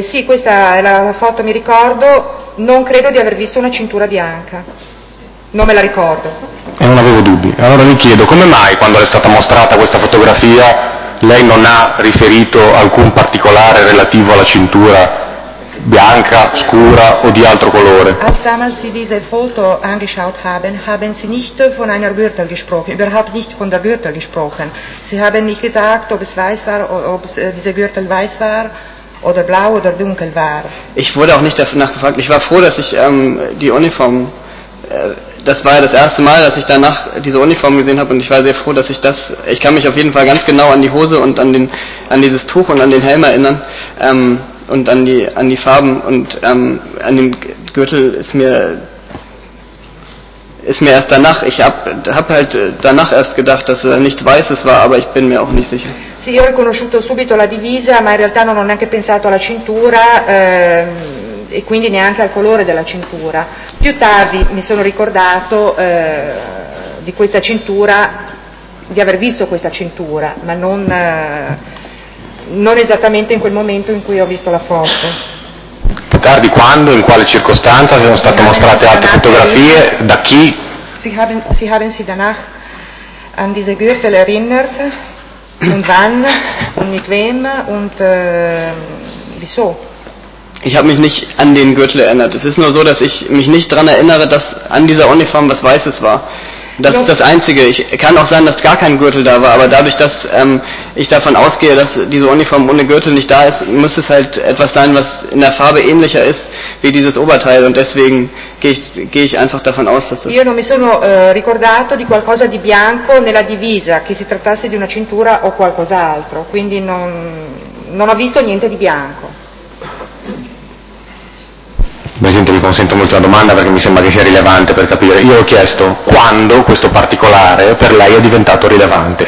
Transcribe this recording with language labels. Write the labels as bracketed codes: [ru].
[it] Sì, questa è la foto, mi ricordo. Non credo di aver visto una cintura bianca. Non me la ricordo. E non avevo dubbi. Allora mi chiedo, come mai quando le è stata mostrata questa fotografia lei non ha riferito alcun particolare relativo alla cintura bianca, scura o di altro colore? [de] Als damals sie diese Foto angeschaut haben, haben sie nicht von einer Gürtel gesprochen, überhaupt nicht von der Gürtel gesprochen. Sie haben nicht gesagt, ob es weiß war, ob es diese Gürtel weiß war. Oder blau oder dunkel war. Ich wurde auch nicht danach gefragt. Ich war froh, dass ich die Uniform, das war ja das erste Mal, dass ich danach diese Uniform gesehen habe und ich war sehr froh, dass ich das, ich kann mich auf jeden Fall ganz genau an die Hose und an dieses Tuch und an den Helm erinnern und an die Farben und an den Gürtel ist mir erst danach, ich hab halt danach erst gedacht, dass nichts Weißes war, aber ich bin mir auch nicht sicher. [it] Sì, io ho riconosciuto subito la divisa, ma in realtà non ho neanche pensato alla cintura e quindi neanche al colore della cintura. Più tardi mi sono ricordato di questa cintura, di aver visto questa cintura, ma non esattamente in quel momento in cui ho visto la foto. Più tardi quando, in quale circostanza, sono state mostrate altre fotografie, da chi? [de] Sie haben sich danach an diese Gürtel erinnert, und wann, und mit wem, und wieso? Ich habe mich nicht an den Gürtel erinnert. Es ist nur so, dass ich mich nicht daran erinnere, dass an dieser Uniform was Weißes war. Das ist das Einzige. Ich kann auch sein, dass gar kein Gürtel da war, aber dadurch, dass ich davon ausgehe, dass diese Uniform ohne Gürtel nicht da ist, muss es halt etwas sein, was in der Farbe ähnlicher ist wie dieses Oberteil. Und deswegen gehe ich einfach davon aus, dass das. [it] Io non mi sono ricordato di qualcosa di bianco nella divisa, che si trattasse di una cintura o qualcos'altro. Quindi non ho visto niente di bianco. Presidente, mi consento un'ultima domanda perché mi sembra che sia rilevante per capire. Io ho chiesto quando questo particolare per lei è diventato rilevante.